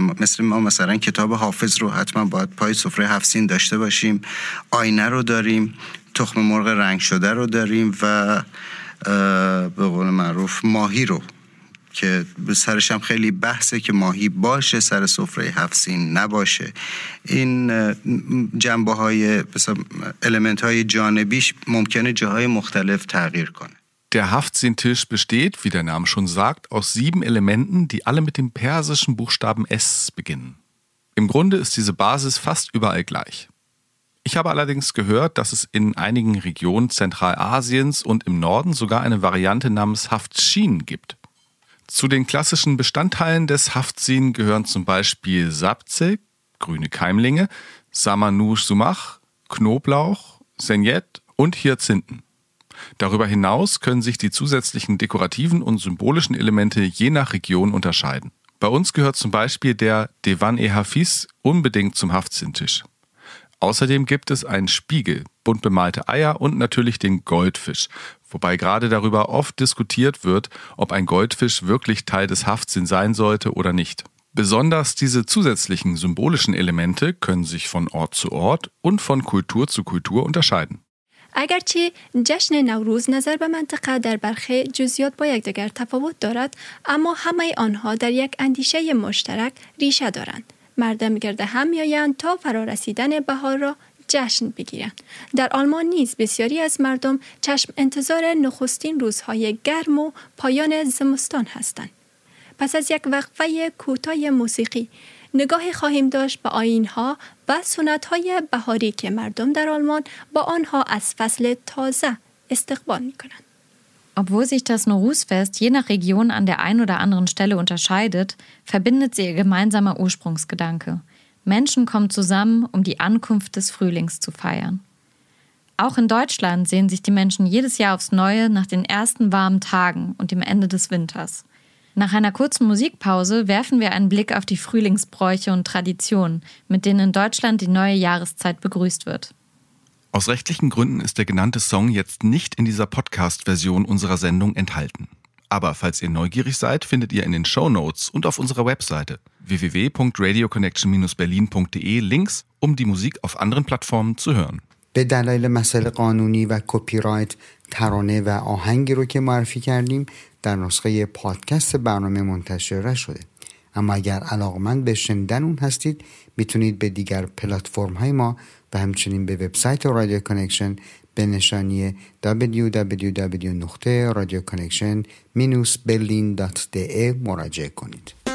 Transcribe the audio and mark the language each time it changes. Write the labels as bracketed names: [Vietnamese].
[Persian] مثل ما مثلا کتاب حافظ رو حتما باید پای سفره هفت سین داشته باشیم، آینه رو داریم، تخم مرغ رنگ شده رو داریم و به قول معروف ماهی رو که سرش هم خیلی بحثه که ماهی باشه سر سفره هفت سین نباشه. این جنبه های مثلا المنت های جانبیش ممکنه جاهای مختلف تغییر کنه. [German] Der Haftzin-Tisch besteht, wie der Name schon sagt, aus sieben Elementen, die alle mit dem persischen Buchstaben S beginnen. Im Grunde ist diese Basis fast überall gleich. Ich habe allerdings gehört, dass es in einigen Regionen Zentralasiens und im Norden sogar eine Variante namens Haftzin gibt. Zu den klassischen Bestandteilen des Haftzin gehören zum Beispiel Sabze, grüne Keimlinge, Samanu-Sumach, Knoblauch, Senjet und Hyazinthen. Darüber hinaus können sich die zusätzlichen dekorativen und symbolischen Elemente je nach Region unterscheiden. Bei uns gehört zum Beispiel der Devan-e-Hafiz unbedingt zum Haftzin-Tisch. Außerdem gibt es einen Spiegel, bunt bemalte Eier und natürlich den Goldfisch, wobei gerade darüber oft diskutiert wird, ob ein Goldfisch wirklich Teil des Haftzin sein sollte oder nicht. Besonders diese zusätzlichen symbolischen Elemente können sich von Ort zu Ort und von Kultur zu Kultur unterscheiden. [Persian] اگرچه جشن نوروز نظر به منطقه در برخی جزئیات با یکدیگر تفاوت دارد، اما همه آنها در یک اندیشه مشترک ریشه دارند. مردم گرد هم میآیند تا فرا رسیدن بهار را جشن بگیرند. در آلمان نیز بسیاری از مردم چشم انتظار نخستین روزهای گرم و پایان زمستان هستند. پس از یک وقفه کوتاه موسیقی، نگاهی خواهیم داشت به آیین‌ها و سنت‌های بهاری که مردم در آلمان با آنها از فصل تازه استقبال می‌کنند. [German] Obwohl sich das Nowruz-Fest je nach Region an der einen oder anderen Stelle unterscheidet, verbindet sie ihr gemeinsamer Ursprungsgedanke. Menschen kommen zusammen, um die Ankunft des Frühlings zu feiern. Auch in Deutschland sehen sich die Menschen jedes Jahr aufs Neue nach den ersten warmen Tagen und dem Ende des Winters. Nach einer kurzen Musikpause werfen wir einen Blick auf die Frühlingsbräuche und Traditionen, mit denen in Deutschland die neue Jahreszeit begrüßt wird. Aus rechtlichen Gründen ist der genannte Song jetzt nicht in dieser Podcast-Version unserer Sendung enthalten. Aber falls ihr neugierig seid, findet ihr in den Shownotes und auf unserer Webseite www.radioconnection-berlin.de Links, um die Musik auf anderen Plattformen zu hören. [Persian] به دلایل مسئله قانونی و کپیرایت ترانه و آهنگی رو که معرفی کردیم در نسخه پادکست برنامه منتشر شده. اما اگر علاقمند به شنیدن اون هستید میتونید به دیگر پلتفرم های ما و همچنین به وبسایت رادیو کانکشن به نشانی www.radioconnection-berlin.de مراجعه کنید.